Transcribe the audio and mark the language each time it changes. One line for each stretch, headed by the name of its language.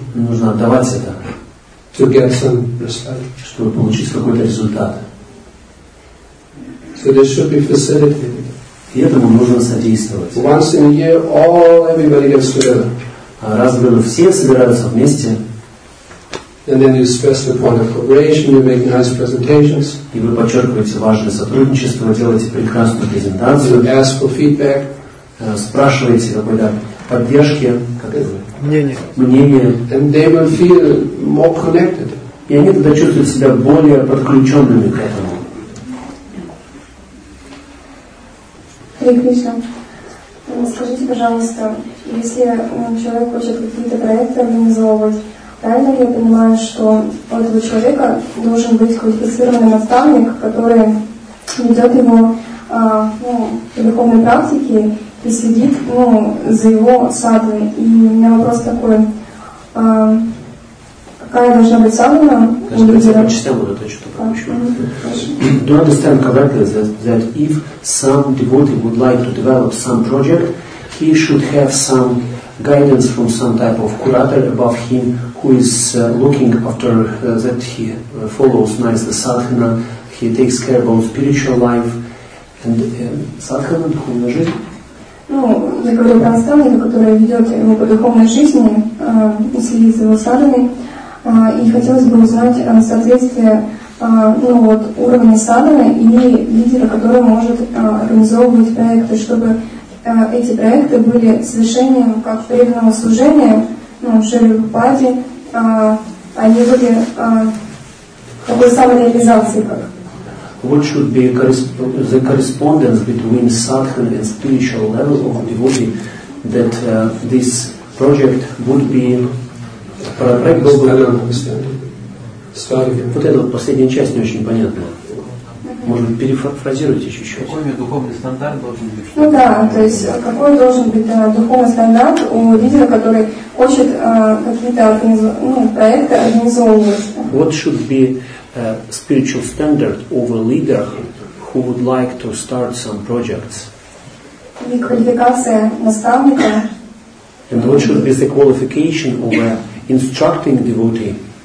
Russian: Нужно отдавать это.
English: To get some result.
Russian: Чтобы получить какой-то результат.
English: So this should be facilitated.
Russian: И этому нужно содействовать.
English: Once in a year, everybody gets together.
Russian: Раз в году все собираются вместе.
English: And then you stress the point of cooperation, you make nice presentations.
Russian: И вы подчеркиваете важное сотрудничество, делаете прекрасную презентацию.
English: You ask for feedback.
Russian: Спрашиваете какой-то поддержки. Как это? Мнение.
English: And they will feel more connected.
Russian: И они тогда чувствуют себя более подключенными к этому. Hare Krishna. Скажите, пожалуйста, какие основные проекты организовывать? Правильно ли я понимаю, что у этого человека должен быть квалифицированный наставник, который ведет его в духовной практике и следит за его садханой? И у меня вопрос такой, какая должна быть садхана у лидера? Прочитаю вот это, что-то пропущу.
English: Do understand correctly that if some devotee would like to develop some project, he should have some guidance from some type of curator above him, who is looking after that he follows nicely sadhana, he he takes care about spiritual life and sadhana,
Russian: духовная жизнь. Ну, я говорю про наставника, который ведет его по духовной жизни, следит за его садханой, и хотелось бы узнать соответствие уровня садханы и лидера, который может организовывать проекты, чтобы эти проекты были совершением как преданного служения, Шри Прабхупаде, они были такой самореализацией, как.
English: What should be the correspondence between sadhana and spiritual level of a devotee that this project would be
Russian: проект был бы вот эта вот последняя часть не очень понятна. Может быть, перефразируйте чуть-чуть. Какой у него духовный стандарт должен быть? Ну да, то есть какой должен быть духовный стандарт у лидера, который хочет какие-то проекты организовывать?
English: What should be a spiritual standard of a leader who would like to start some projects?
Russian: И квалификация наставника.
English: And what should be the qualification of a instructing devotee?